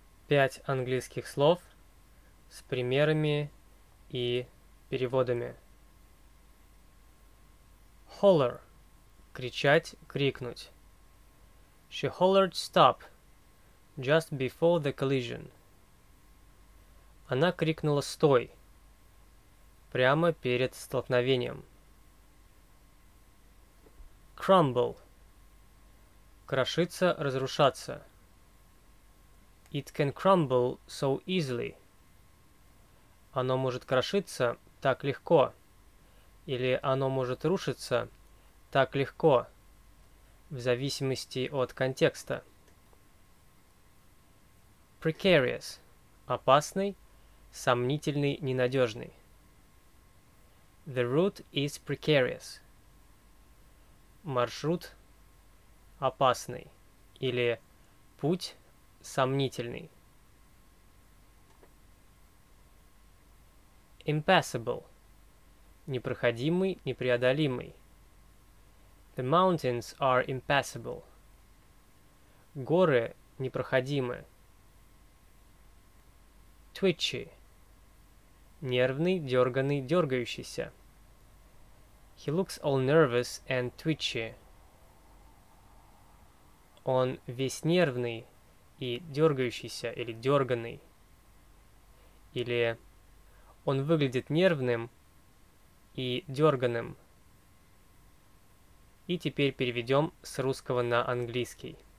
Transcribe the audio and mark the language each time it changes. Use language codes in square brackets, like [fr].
[ru] 5 английских слов с примерами и переводами. Holler – кричать, крикнуть. [en] She hollered stop just before the collision. [ru] Она крикнула «стой» прямо перед столкновением. Crumble – крошиться, разрушаться. [en] It can crumble so easily. [ru] Оно может крошиться так легко. Или оно может рушиться так легко, в зависимости от контекста. Precarious – опасный, сомнительный, ненадежный. [en] The route is precarious. [ru] Маршрут – опасный. Или путь – сомнительный. Impassable – непроходимый, непреодолимый. [en] The mountains are impassable. [ru] Горы непроходимы. Twitchy – нервный, дерганный, дергающийся. [en] He looks all nervous and twitchy. [ru] Он весь нервный и дергающийся, или дерганный. Или он выглядит нервным и дерганым. И теперь переведем с русского на английский.